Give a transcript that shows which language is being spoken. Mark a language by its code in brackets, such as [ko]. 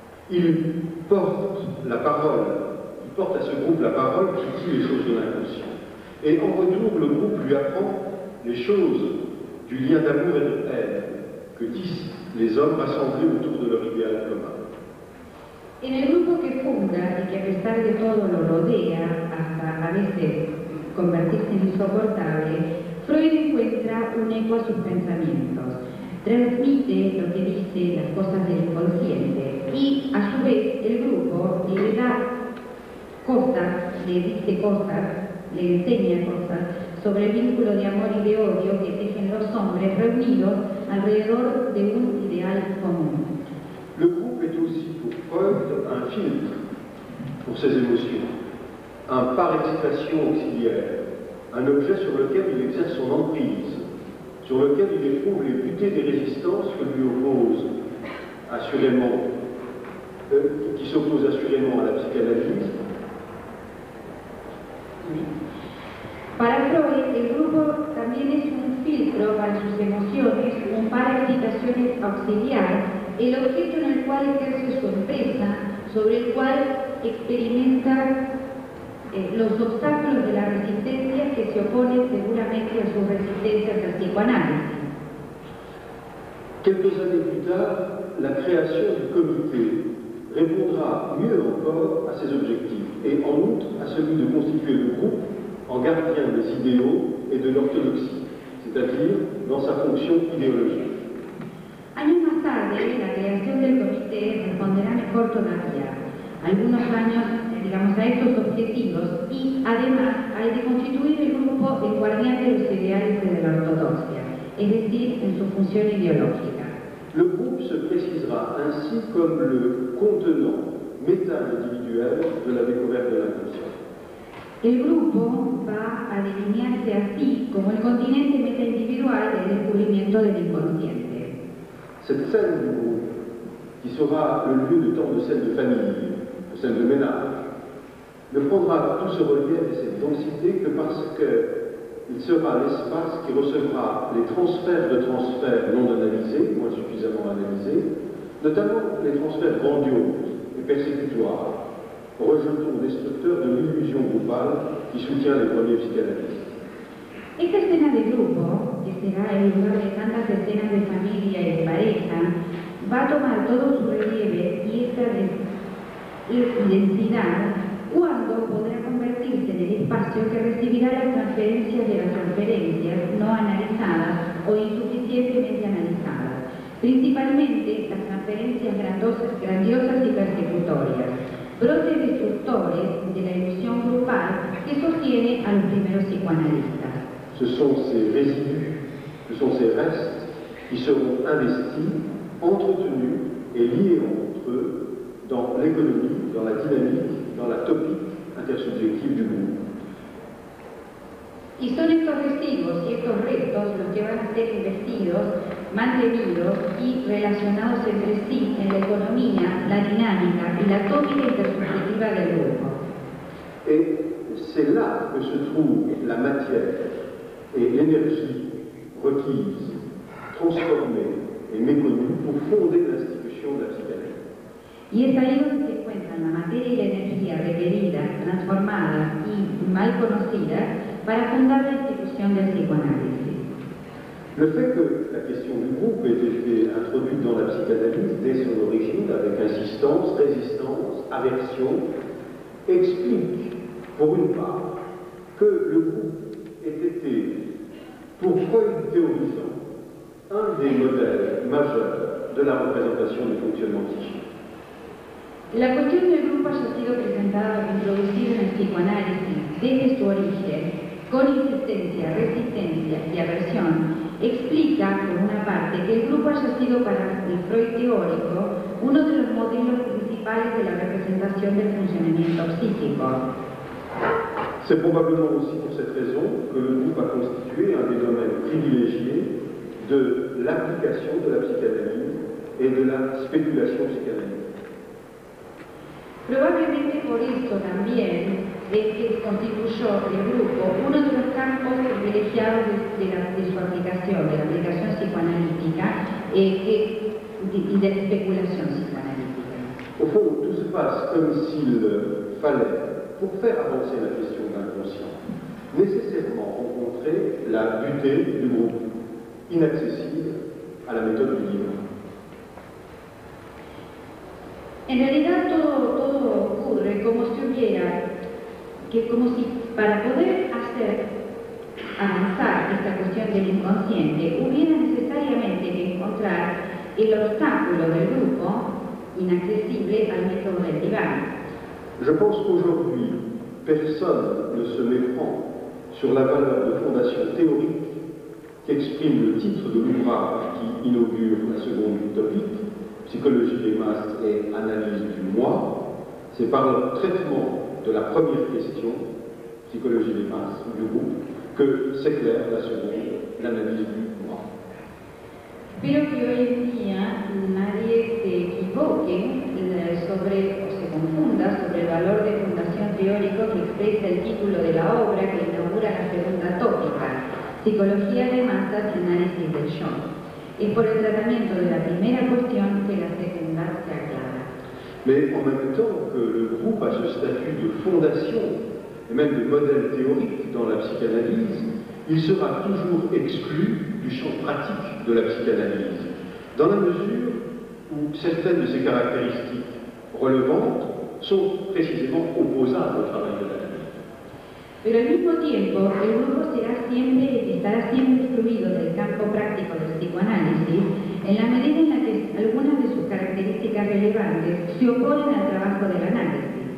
[fr] Il porte la parole, il porte à ce groupe la parole qui dit les choses de l'inconscient. Et en retour, le groupe lui apprend les choses du lien d'amour et de haine que disent les hommes rassemblés autour de leur idéal commun. [es] En el grupo que funda y que a pesar de todo lo rodea, hasta a veces convertirse en insoportable, Freud encuentra un eco a sus pensamientos. Transmite lo que dice las cosas del inconsciente. Y a su vez el grupo le da cosas, le dice cosas, le enseña cosas sobre el vínculo de amor y de odio que tejen los hombres reunidos alrededor de un ideal común. [fr] Le groupe est aussi pour Freud un filtre pour ses émotions, un par excitation auxiliaire, un objet sur lequel il exerce son emprise, sur lequel il éprouve les butées des résistances que lui oppose, assurément. Qui s'oppose assurément à la psychanalyse. [es] Para Freud, el grupo también es un filtro para sus emociones, un par de excitaciones auxiliar, el objeto en el cual ejerce su empresa, sobre el cual experimenta los obstáculos de la resistencia que se opone seguramente a sus resistencias al psicoanálisis. [fr] Quelques années plus tard, la création du comité répondra mieux encore à ses objectifs et en outre à celui de constituer le groupe en gardien des idéaux et de l'orthodoxie, c'est-à-dire dans sa fonction idéologique. [es] Años más tarde, la creación del comité responderá mejor todavía. Algunos años, digamos, a estos objetivos y además al de constituir el grupo en guardián de los ideales de la ortodoxia, es decir, en su función ideológica. [fr] Le groupe se précisera ainsi comme le contenant méta-individuel de la découverte de l'inconscient. [es] El grupo va a delinearse así como el continente meta-individual del descubrimiento del inconsciente. [fr] Cette scène du groupe, qui sera le lieu de tant de scènes de famille, de scènes de ménage, ne prendra tout ce relief et cette densité que parce qu'il sera l'espace qui recevra les transferts de transferts non analysés, moins suffisamment analysés, notamment les transferts grandioses et persécutoires, rejetons destructeurs de l'illusion groupale qui soutient les premiers psychanalystes. [es] Esta escena de grupo, que será el lugar de tantas escenas de familia y de pareja, va a tomar todo su relieve y esta densidad cuando podrá convertirse en el espacio. espacio que recibirá las transferencias de las transferencias no analizadas o insuficientemente analizadas, principalmente las transferencias grandiosas y persecutorias, brotes destructores de la ilusión grupal que sostiene a los primeros psicoanalistas. [fr] Ce sont ces résidus, ce sont ces restes qui seront investis, entretenus et liés entre eux dans l'économie, dans la dynamique, dans la topique intersubjective du monde. [es] Y son estos vestigios y estos restos los que van a ser investidos, mantenidos y relacionados entre sí en la economía, la dinámica y la tópica intersubjetiva del grupo. [fr] Et c'est là que se trouve la matière et l'énergie requise, transformée et méconnue pour fonder l'institution de la psychanalyse. [es] Y es ahí donde se encuentran la materia y la energía requerida, transformada y mal conocida para fundar la institución del psicoanálisis. [fr] Le fait que la question du groupe ait été introduite dans la psychanalyse dès son origine, avec insistance, résistance, aversion, explique, pour une part, que le groupe ait été, pour Freud théorisant, un des modèles majeurs de la représentation du fonctionnement psychique. [es] La cuestión del grupo haya sido presentada e introducida en el psicoanálisis desde su origen, con insistencia, resistencia y aversión, explica, por una parte, que el grupo haya sido para el Freud teórico uno de los modelos principales de la representación del funcionamiento psíquico. [fr] C'est probablement aussi pour cette raison que le groupe a constitué un des domaines privilégiés de l'application de la psychanalyse et de la spéculation psychanalyse. [es] Probablemente por eso también es que constituyó el grupo uno de los campos privilegiados de la aplicación psicoanalítica y de la especulación psicoanalítica. [fr] Au fond, tout se passe comme s'il fallait, pour faire avancer la question de l'inconscient, nécessairement rencontrer la butée du groupe, inaccessible à la méthode du livre. [es] En realidad todo ocurre como si hubiera, que como si para poder hacer avanzar esta cuestión del inconsciente hubiera necesariamente que encontrar el obstáculo del grupo inaccesible al método del Diván. [fr] Je pense qu'aujourd'hui personne ne se méprend sur la valeur de fondation théorique qu'exprime le titre de l'ouvrage qui inaugure la seconde utopique. Psychologie des masses et analyse du moi, c'est par le traitement de la première question, psychologie des masses du groupe, que s'éclaire la seconde, l'analyse du moi. [es] Espero que hoy en día nadie se equivoque sobre o se confunda sobre el valor de fundación teórico que expresa el título de la obra que inaugura la segunda tópica, psicología de masas y análisis del yo. Es por el tratamiento de la primera cuestión que la segunda se aclara. [fr] Mais en même temps que le groupe a ce statut de fondation et même de modèle théorique dans la psychanalyse, il sera toujours exclu du champ pratique de la psychanalyse, dans la mesure où certaines de ses caractéristiques relevantes sont précisément opposables au travail de l'analyse. [es] Pero al mismo tiempo, el grupo estará siempre excluido del campo práctico del psicoanálisis en la medida en la que algunas de sus características relevantes se oponen al trabajo del análisis.